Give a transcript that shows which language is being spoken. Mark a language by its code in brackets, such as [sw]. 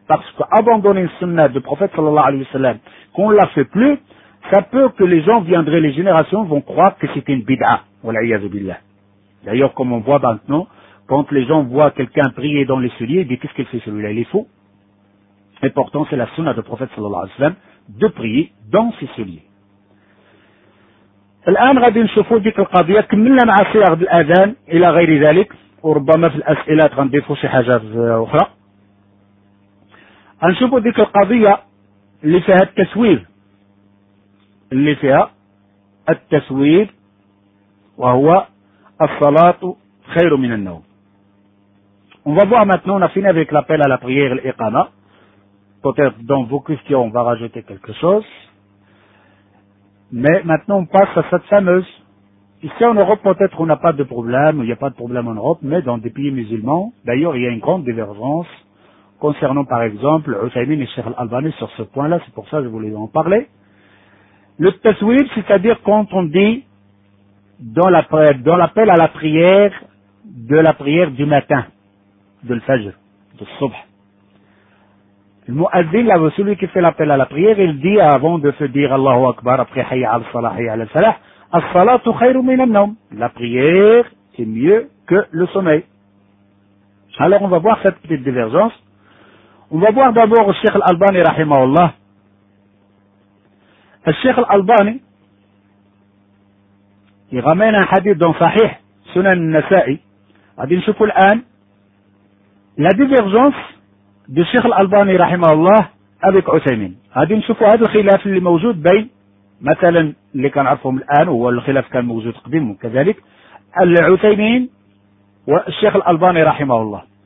[fr] Parce qu'abandonner une sunna du prophète sallallahu alayhi wa sallam, qu'on ne la fait plus, ça peut que les gens viendraient, les générations vont croire que c'est une bid'a. Wal'iyadu billah. D'ailleurs, comme on voit maintenant, quand les gens voient quelqu'un prier dans les souliers, ils disent qu'est-ce qu'il fait celui-là, il est fou. Et pourtant, c'est la sunna du prophète sallallahu alayhi wa sallam de prier dans ses souliers. [ar] الان غادي نشوفوا ديك القضيه كملنا مع صيغ الاذان الى غير ذلك، وربما في الاسئله غنضيفوا شي حاجه اخرى. غنشوفوا ديك القضيه اللي فيها التسويب، اللي فيها التسويب، وهو الصلاه خير من النوم. [fr] On va voir maintenant, on a fini avec l'appel à la prière, l'iqama. Peut-être dans vos questions, on va rajouter quelque chose. Mais maintenant, on passe à cette fameuse. Ici en Europe, peut-être on n'a pas de problème, il n'y a pas de problème en Europe, mais dans des pays musulmans, d'ailleurs, il y a une grande divergence concernant, par exemple, Uthaymin et Cheikh Al-Albani sur ce point-là, c'est pour ça que je voulais en parler. Le taswib, c'est-à-dire quand on dit dans l'appel à la prière, de la prière du matin, de l'fajr, de subh. Le mu'adhin, celui qui fait l'appel à la prière, il dit avant de se dire Allahu Akbar, après Hayya al-Salah, Hayya al-Salah, As-salatu khayru min an-nawm. La prière est mieux que le sommeil. Alors on va voir cette petite divergence. On va voir d'abord le Cheikh Al-Albani, rahimahullah. Le Cheikh Al-Albani, il ramène un hadith dans Sahih, [ar] سنن النسائي. غادي نشوفوا الان [fr] لا ديفيرجونس دي [ar] الشيخ الالباني رحمه الله ابيك عثيمين. غادي نشوفوا هذا الخلاف اللي موجود بين مثلا اللي كنعرفهم الان، هو الخلاف كان موجود قديم كذلك العثيمين والشيخ الالباني رحمه الله.